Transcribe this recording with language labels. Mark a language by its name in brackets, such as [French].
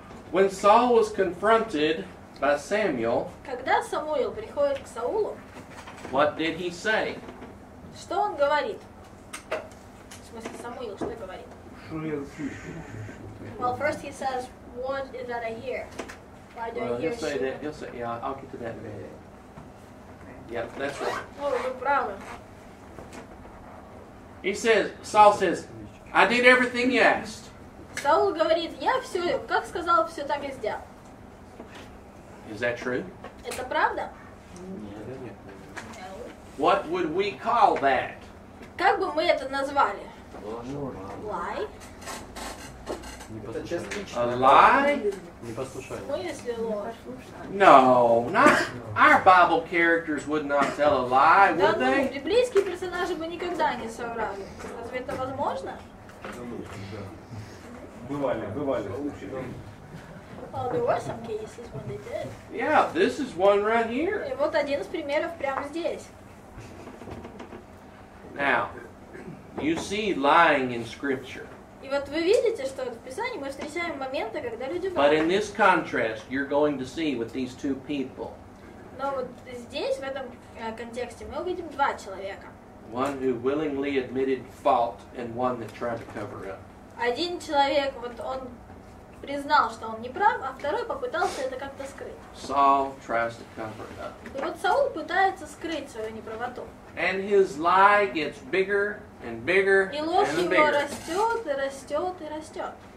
[English] When Saul was confronted by Samuel, [Russian] когда Самуил приходит к Саулу, [English] what did he say? [Russian] Что он говорит? В смысле, Самуил, что говорит? Что я слышу? [English] Well, first he says, what is that I hear? Why do He'll say, yeah, I'll get to that in a minute. Yep, that's right. [Russian] Oh, вы правы. [English] Saul says, I did everything you asked. [Russian] Саул говорит, я все, как сказал, все так и сделал. [English] Is that true? [Russian] Это правда? [English] No. What would we call that? [Russian] Как бы мы это назвали? [English] Lie? A lie? [Russian] Не послушание. Мы если ложь. [English] No, not. Our Bible characters would not tell a lie, would they? [Russian] Да, библейские персонажи бы никогда не соврали. Разве это возможно? Бывали. [English] Well, there were some cases when they did. Yeah, this is one right here. [Russian] И вот один из примеров прямо здесь. [English] Now, you see lying in Scripture. [Russian] И вот вы видите, что в Писании мы встречаем моменты, когда люди врут. [English] But in this contrast, you're going to see with these two people. [Russian] Но вот здесь, в этом контексте, мы увидим два человека. [English] One who willingly admitted fault and one that tried to cover up. [Russian] Один человек, вот он признал, что он неправ, а второй попытался это как-то скрыть. [English] Saul tries to cover it up. [Russian] И вот Саул пытается скрыть свою неправоту. [English] And his lie gets bigger and bigger. [Russian] И ложь его растет и растет и растет.